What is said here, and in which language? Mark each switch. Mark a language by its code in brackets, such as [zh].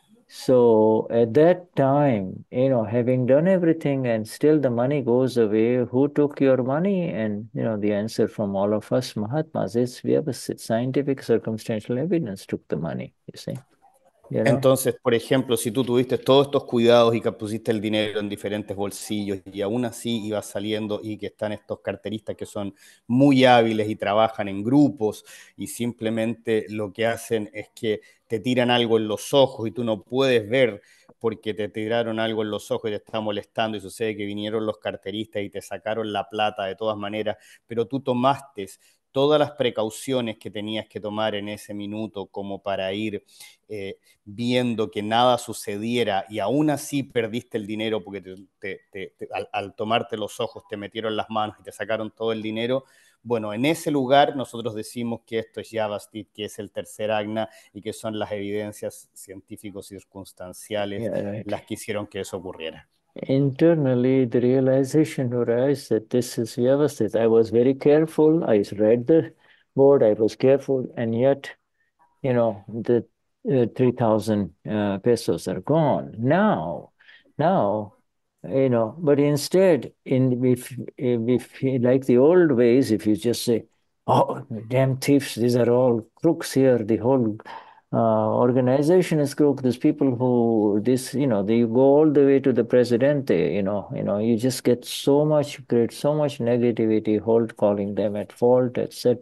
[en] So at that time, you know, having done everything and still the money goes away, who took your money? And you know, the answer from all of us Mahatmas is we have a scientific circumstantial evidence took the money, you see. You know? [es] Entonces, por ejemplo, si tú tuviste todos estos cuidados y que pusiste el dinero en diferentes bolsillos y aún así ibas saliendo y que están estos carteristas que son muy hábiles y trabajan en grupos y simplemente lo que hacen es que te tiran algo en los ojos y tú no puedes ver porque te tiraron algo en los ojos y te está molestando y sucede que vinieron los carteristas y te sacaron la plata de todas maneras, pero tú tomaste todas las precauciones que tenías que tomar en ese minuto como para ir viendo que nada sucediera y aún así perdiste el dinero porque al tomarte los ojos te metieron las manos y te sacaron todo el dinero. Bueno, en ese lugar nosotros decimos que esto es Yavastit, que es el tercer agna y que son las evidencias científico-circunstanciales [en] Yeah, right. [es] las que hicieron que eso ocurriera. [en] Internally, the realization arose that this is vyavasthita. I was very careful. I read the board. I was careful. And yet, you know, the 3,000 pesos are gone. Now, you know, but instead, like the old ways, if you just say, oh, damn thieves, these are all crooks here, the whole organization is crook, these people who, this, you know, they go all the way to the presidente, you know, you just get so much, create so much negativity, hold calling them at fault, etc.